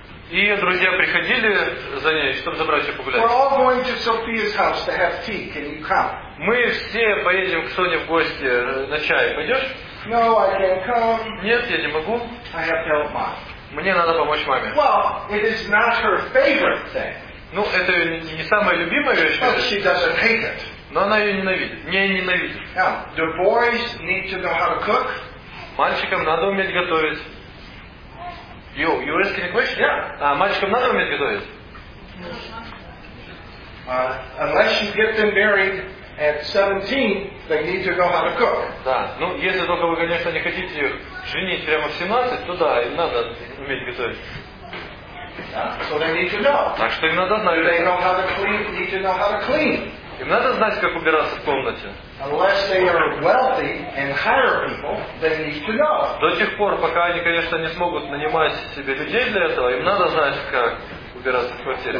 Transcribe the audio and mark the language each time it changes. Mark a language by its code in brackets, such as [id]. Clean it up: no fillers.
[ru] И ее друзья приходили за ней, чтобы забрать ее погулять. [en] We're all going to Sophia's house to have tea. Can you come? [ru] Мы все поедем к Соне в гости на чай. Пойдешь? [en] No, I can't come. [ru] Нет, я не могу. [en] I have to help mom. [ru] Мне надо помочь маме. [en] Well, it is not her favorite thing. [ru] Ну, это не самая любимая вещь. [en] But she doesn't hate it. [ru] Но она ее ненавидит. Не ненавидит. [en] Now, the boys need to know how to cook. [ru] Мальчикам надо уметь готовить. [en] You ask any question? Yeah. [ru] Мальчикам надо уметь готовить? [en] Unless you get them married at 17, they need to know how to cook. [ru] Да. Ну, если только вы, конечно, не хотите их женить прямо в 17, то да, им надо уметь готовить. [en] So they need to know. [ru] Так что им надо знать. [en] They know how to clean. Need to know how to clean. [ru] Им надо знать, как убираться в комнате. [en] Unless they are wealthy and hire people, they need to know. [ru] До тех пор, пока они, конечно, не смогут нанимать себе людей для этого, им надо знать, как убираться в квартире.